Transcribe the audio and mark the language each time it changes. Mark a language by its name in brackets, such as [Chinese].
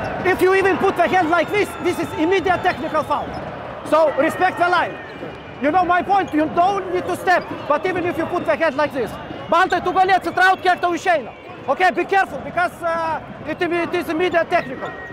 [English] If you even put the hand like this, this is immediate technical foul. So, respect the line. You know my point, you don't need to step, but even if you put the hand like this. [Lithuanian] Bantai, tu gali atsitraut, kiek tau išeina. [English] Okay, be careful, because it is immediate technical.